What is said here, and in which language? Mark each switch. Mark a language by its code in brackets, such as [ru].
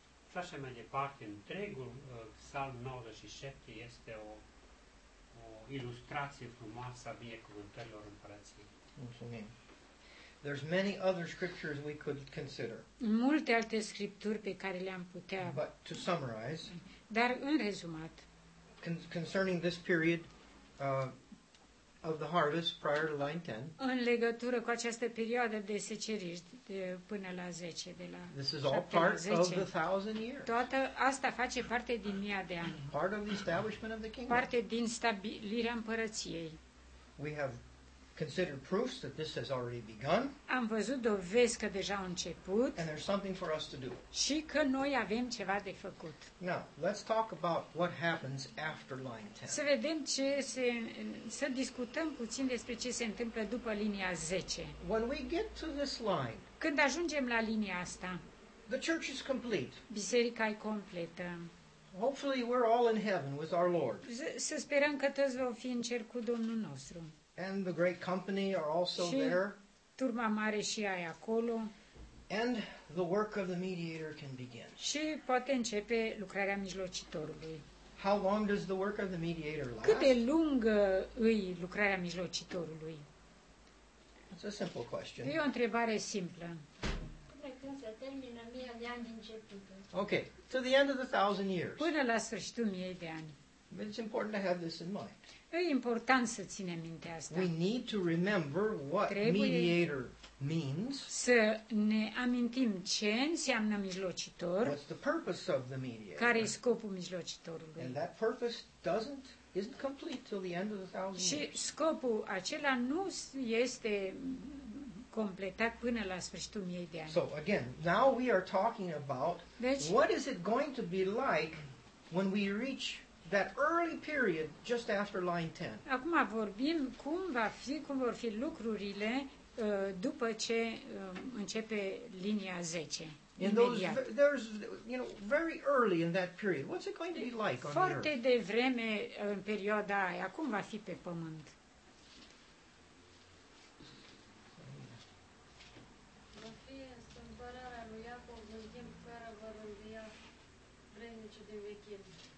[ro] Și așa mai departe, întregul psalm 97 este o ilustrație frumoasă a binecuvântărilor împărăției. Mulțumim. [en] There's many other scriptures we could consider. [ro] Multe alte scripturi pe care le-am putea. [en] But to summarize. [ro] Dar în rezumat. [en] Concerning this period of the harvest prior to line 10. [ro] În legătură cu această perioadă de seceriș de până la 10, de la [en] 10. This is all part of the 1000 years. [ro] Toată asta face parte din 1000 de ani. [en] Part of the establishment of the kingdom. [ro] Parte din stabilirea împărăției. [en] We have considered proofs that this has already begun. [ro] Am văzut dovezi că deja a început. [en] And there's something for us to do. [ro] Și că noi avem ceva de făcut. [en] Now, let's talk about what happens after line 10. [ro] Să vedem ce să discutăm puțin despre ce se întâmplă după linia 10. [en] When we get to this line. [ro] Când ajungem la linia asta. [en] The church is complete. [ro] Biserica e completă. [en] Hopefully we're all in heaven with our Lord. [ro] Să sperăm că toți vom fi în cer cu Domnul nostru. [en] And the great company are also there. [ro] Turma mare și aia acolo. [en] And the work of the mediator can begin. [ro] Și poate începe lucrarea mijlocitorului. [en] How long does the work of the mediator last? [ro] Cât de lungă îi lucrarea mijlocitorului? [en] It's a simple question. [ro] E o întrebare simplă. Până când se termină mii de ani din începutul. [en] Okay, to the end of the 1000 years. [ro] Până la sfârșitul miei de ani. [en] But it's important to have this in mind. [ro] E important să ținem minte asta. [en] We need to remember what [ro] trebuie [en] mediator means. [ro] Să ne amintim ce înseamnă mijlocitor. [en] What's the purpose of the mediator? [ro] Care e scopul mijlocitorului? [en] And that purpose isn't complete till the end of the 1000 years. [ro] Și scopul acela nu este completat până la sfârșitul miei de ani. [en] So again, now we are talking about, [ro] deci, [en] what is it going to be like when we reach that early period just after line 10. [ro] Acum vorbim cum vor fi lucrurile după ce începe linia 10. [en] In those, there's, you know, very early in that period. What's it going to be like on [ro] Foarte devreme în perioada aia, cum va fi pe pământ? Va fi schimbarea lui Iacov în timp care va învia vremnicii din vechime.